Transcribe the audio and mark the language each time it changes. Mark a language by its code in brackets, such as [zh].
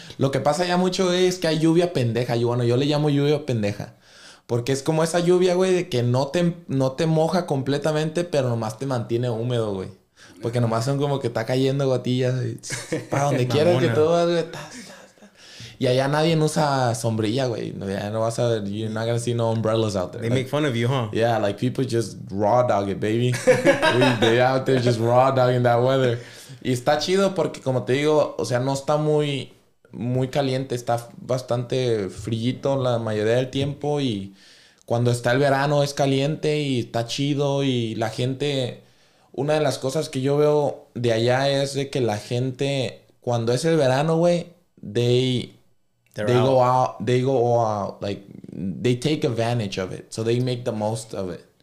[es] Lo que pasa ya mucho es que hay lluvia pendeja. Yo le llamo lluvia pendeja. Porque es como esa lluvia, güey, de que no te moja completamente, pero nomás te mantiene húmedo, güey. Porque nomás son como que está cayendo gotillas. Y, para donde quieras que tú vas, güey. Y allá nadie usa sombrilla, güey. Ya no vas a ver, [en] you're not gonna see no umbrellas out there. They like, make fun of you, huh? Yeah, like people just raw dog it, baby. They out there just raw dogging that weather. [es] Y está chido porque, como te digo, o sea, no está muy, muy caliente. Está bastante frillito la mayoría del tiempo. Y cuando está el verano es caliente y está chido. Y la gente, una de las cosas que yo veo de allá es de que la gente, cuando es el verano, güey, [en] they take advantage of it, [es] so they make the most of it.